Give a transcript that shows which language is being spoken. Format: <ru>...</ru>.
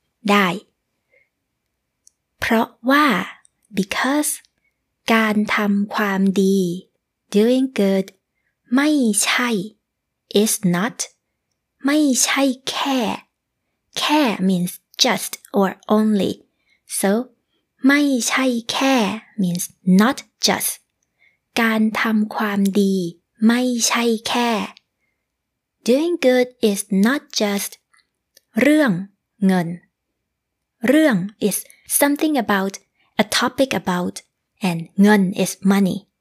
<th>ได้. เพราะว่า,</th> <en>because,</en> <th>การทำความดี,</th> <en>doing good,</en> <th>ไม่ใช่,</th> <en>is not,</en> <th>ไม่ใช่แค่.</th> <en>แค่ means,Just or only. So,</en> <th>ไม่ใช่แค่</th> <en>means not just.</en> <th>การทำความดีไม่ใช่แค่</th> <en>Doing good is not just</en> <th>เรื่องเงินเรื่อง</th> <en>is something about, a topic about, and เงิน is money.</en>